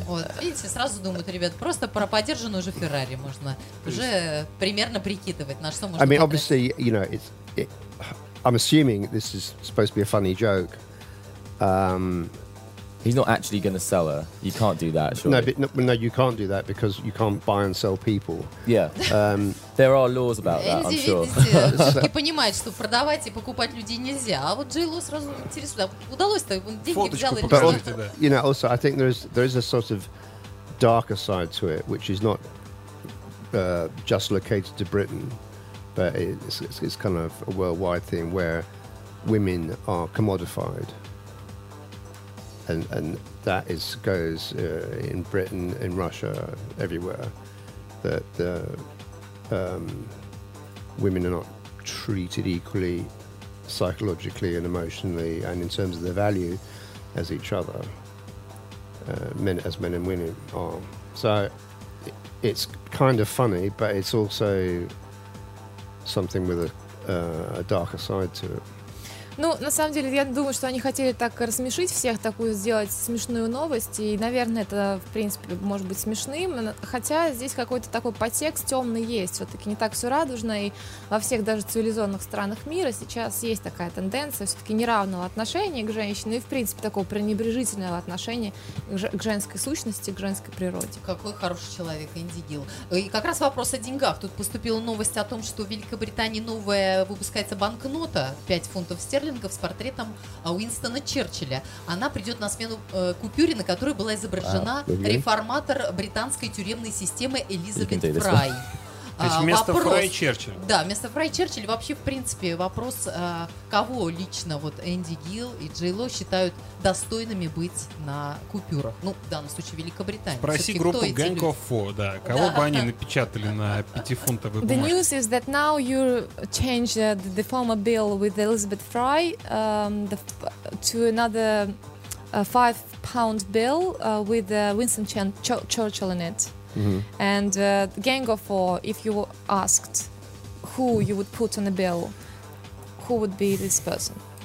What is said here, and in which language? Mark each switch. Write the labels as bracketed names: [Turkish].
[Russian] Вот, видите, сразу думают, ребят, просто про подержанную уже Ferrari можно уже примерно прикидывать, на что можно. [English] I mean, obviously, you know, I'm assuming this is supposed to be a funny joke. He's not actually going to sell her. You can't do that, surely. No, you can't do that because you can't buy and sell people. Yeah. There are laws about that, I'm sure. [Russian] Все понимают, что продавать и покупать людей нельзя. А вот Джей Ло сразу интересно, удалось-то? Он деньги взял или что? [English] You know, also, I think there is a sort of darker side to it, which is not just located to Britain, but it's kind of a worldwide thing where women are commodified. And that goes in Britain, in Russia, everywhere, that women are not treated equally psychologically and emotionally and in terms of their value as each other, men and women are. So it's kind of funny, but it's also something with a darker side to it. [Russian] Ну, на самом деле, я думаю, что они хотели так рассмешить всех, такую сделать смешную новость, и, наверное, это, в принципе, может быть смешным, хотя здесь какой-то такой подтекст темный есть, все-таки не так все радужно, и во всех даже цивилизованных странах мира сейчас есть такая тенденция все-таки неравного отношения к женщине и, в принципе, такого пренебрежительного отношения к женской сущности, к женской природе. Какой хороший человек, Энди Гилл. И как раз вопрос о деньгах. Тут поступила новость о том, что в Великобритании новая выпускается банкнота, 5 фунтов стерлингов, с портретом Уинстона Черчилля. Она придет на смену купюре, на которой была изображена реформатор британской тюремной системы Элизабет Фрай. Вместо Фрай Черчилля. Вообще, в принципе, вопрос, кого лично вот Энди Гилл и Джей Ло считают достойными быть на купюрах. Ну, в данном случае Великобритания. Спроси группу Gang of Four, да. Кого бы они напечатали на 5-фунтовой бумажке? [English] The news is that now you change the former bill with Elizabeth Fry to another 5-pound bill with Winston Churchill in it. Mm-hmm. And Gang of Four, if you were asked who you would put on the bill, who would be this person?